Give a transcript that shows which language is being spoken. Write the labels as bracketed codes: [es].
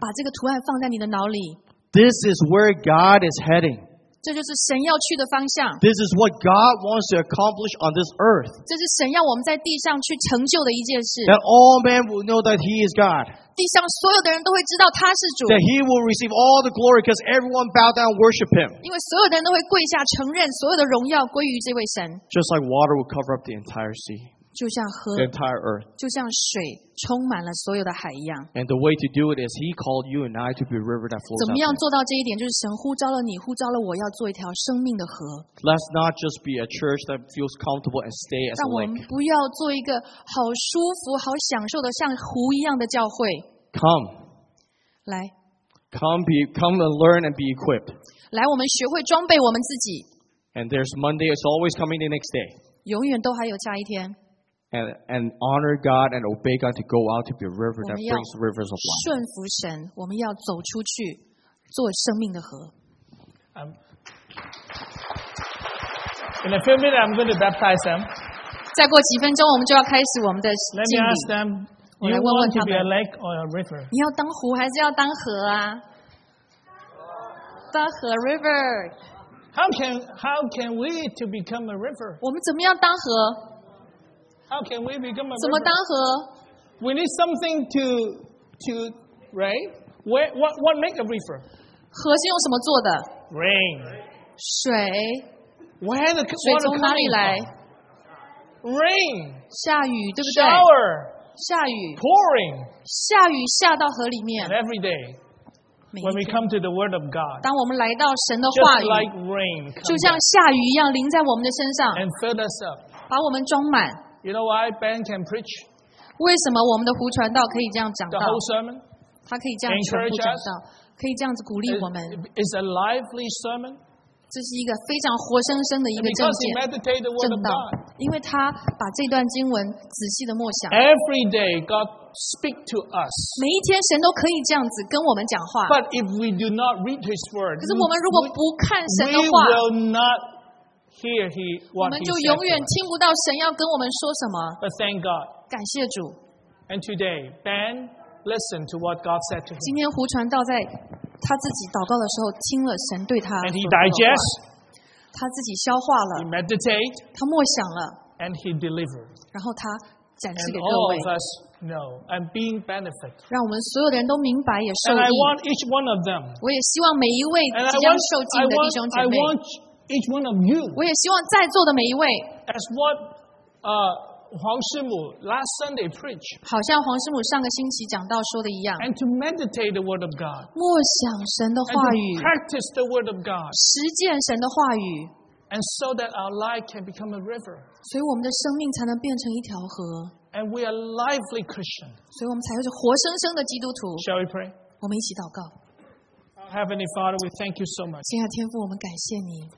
[en] This is where God is heading. [zh] 这就是神要去的方向。 [en] This is what God wants to accomplish on this earth. [zh] 这是神要我们在地上去成就的一件事。 [en] That all men will know that He is God. [zh] 地上所有的人都会知道他是主。 [en] That He will receive all the glory because everyone bow down and worship Him. [zh] 因为所有的人都会跪下承认所有的荣耀归于这位神。 [en] Just like water will cover up the entire sea. [zh] 就像河。 [en] The entire earth. [zh] 就像水充满了所有的海一样。 [en] And the way to do it is He called you and I to be a river that flows out. [zh] 怎么样做到这一点？就是神呼召了你，呼召了我要做一条生命的河。 [en] Let's not just be a church that feels comfortable and stay as a lake. [zh] 让我们不要做一个好舒服、好享受的像湖一样的教会。 [en] Come. [zh] 来。 [en] Come and learn and be equipped. [zh] 来，我们学会装备我们自己。 [en] And there's Monday, it's always coming the next day. [zh] 永远都还有下一天。 [en] And honor God and obey God to go out to be a river that brings rivers of life. [zh] 顺服神，我们要走出去，做生命的河。 [en] In a few minutes, I'm going to baptize them. [zh] 再过几分钟，我们就要开始我们的敬礼。 [en] Let me ask them. You want to be a lake or a river? [zh] 你要当湖还是要当河啊？当河 river. [en] How can we to become a river? [zh] 我们怎么样当河？ [en] How can we become a river? [zh] 怎么当河? [en] We need something to right? What make a river? [zh] 河是用什么做的? [en] Rain. [zh] 水. [en] Where the water [zh] 水从哪里来? [en] Rain. [zh] 下雨, 对不对? [en] Shower. [zh] 下雨. [en] Pouring. [zh] 下雨下到河里面. [en] And every day, when we come to the word of God, [zh] 当我们来到神的话语, [en] just like rain, [zh] 就像下雨一样淋在我们的身上, [en] and fill us up, [zh] 把我们装满。 [en] You know why Ben can preach? [zh] 为什么我们的胡传道可以这样讲道? [en] The whole sermon? [zh] 他可以这样全部讲道, 可以这样子鼓励我们。 [en] It's a lively sermon. [zh] 这是一个非常活生生的一个证件, 证道。因为他把这段经文仔细的默想。 [en] Every day God speak to us. [zh] 每一天神都可以这样子跟我们讲话。 [en] But if we do not read His word, [zh] 可是我们如果不看神的话, [en] we will not hear he what he [zh] 我们就永远听不到神要跟我们说什么。 [en] But thank God. [zh] 感谢主。 [en] And today, Ben listened to what God said to him. [zh] 今天胡传道在他自己祷告的时候听了神对他说的话。 [en] And he digests. [zh] 他自己消化了。 [en] He meditate. [zh] 他默想了。 [en] And he delivered. [zh] 然后他展示给各位。 [en] And all of us know and being benefit. [zh] 让我们所有的人都明白也受益。 [en] And I want each one of them. [zh] 我也希望每一位即将受浸的弟兄姐妹。 [en] And I want each one of you. [zh] 我也希望在座的每一位。 [en] As what, Huang Shimu last Sunday preached. [zh] 好像黄师母上个星期讲到说的一样。 [en] And to meditate the word of God. [zh] 默想神的话语。 [en] And to practice the word of God. [zh] 实践神的话语。 [en] And so that our life can become a river. [zh] 所以我们的生命才能变成一条河。 [en] And we are lively Christian. [zh] 所以我们才是活生生的基督徒。 [en] Shall we pray? [zh] 我们一起祷告。 [en] Heavenly Father, we thank you so much. [zh] 亲爱的天父，我们感谢你。